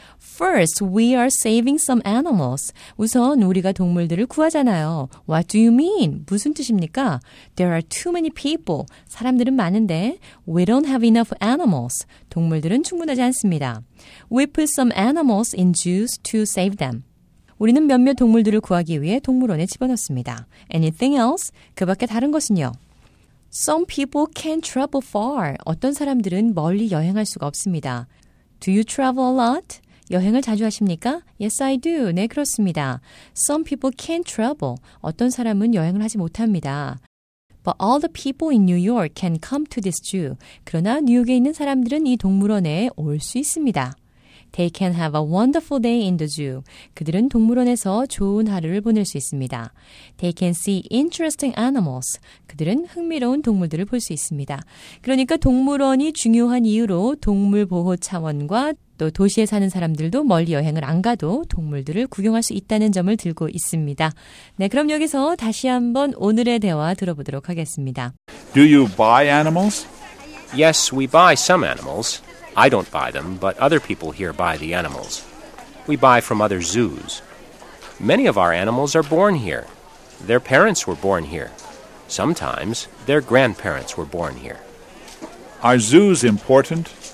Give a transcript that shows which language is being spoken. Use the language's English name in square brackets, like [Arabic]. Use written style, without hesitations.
[English] First, we are saving some animals. [Korean] 우선 우리가 동물들을 구하잖아요. [English] What do you mean? [Korean] 무슨 뜻입니까? [English] There are too many people. [Korean] 사람들은 많은데 [English] we don't have enough animals. [Korean] 동물들은 충분하지 않습니다. [English] We put some animals in zoos to save them. [Korean] 우리는 몇몇 동물들을 구하기 위해 동물원에 집어넣습니다. [English] Anything else? [Korean] 그 밖에 다른 것은요? [English] Some people can't travel far. [Korean] 어떤 사람들은 멀리 여행할 수가 없습니다. [English] Do you travel a lot? [Korean] 여행을 자주 하십니까? [English] Yes, I do. [Korean] 네, 그렇습니다. [English] Some people can't travel. [Korean] 어떤 사람은 여행을 하지 못합니다. [English] But all the people in New York can come to this zoo. [Korean] 그러나 뉴욕에 있는 사람들은 이 동물원에 올 수 있습니다. [English] They can have a wonderful day in the zoo. [Korean] 그들은 동물원에서 좋은 하루를 보낼 수 있습니다. [English] They can see interesting animals. [Korean] 그들은 흥미로운 동물들을 볼 수 있습니다. 그러니까 동물원이 중요한 이유로 동물 보호 차원과 또 도시에 사는 사람들도 멀리 여행을 안 가도 동물들을 구경할 수 있다는 점을 들고 있습니다. 네, 그럼 여기서 다시 한번 오늘의 대화 들어보도록 하겠습니다. [English] Do you buy animals? Yes, we buy some animals. I don't buy them, but other people here buy the animals. We buy from other zoos. Many of our animals are born here. Their parents were born here. Sometimes their grandparents were born here. Are zoos important?